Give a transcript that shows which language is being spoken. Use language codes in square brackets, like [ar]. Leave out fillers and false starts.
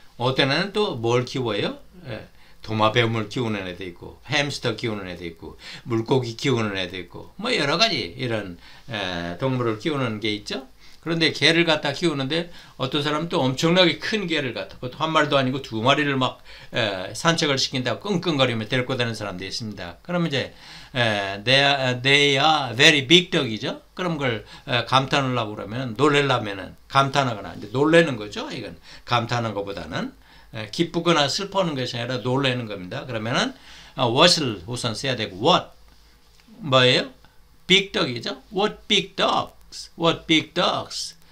[ko] 어떤 애는 또 뭘 키워요? 도마뱀을 키우는 애도 있고 햄스터 키우는 애도 있고 물고기 키우는 애도 있고 뭐 여러 가지 이런 동물을 키우는 게 있죠. 그런데 개를 갖다 키우는데 어떤 사람은 또 엄청나게 큰 개를 갖다 보통 한 마리도 아니고 두 마리를 막 산책을 시킨다고 끙끙거리며 데리고 다니는 사람도 있습니다. 그러면 이제 [en] they are very big dog이죠. [ko] 그런 걸 감탄하려고 그러면 놀래려면은 감탄하거나 이제 놀래는 거죠. 이건 감탄한 것보다는 기쁘거나 슬퍼하는 것이 아니라 놀래는 겁니다. 그러면은 what을 우선 써야 되고 what 뭐예요? [en] big dog이죠. what big dog? What big dogs?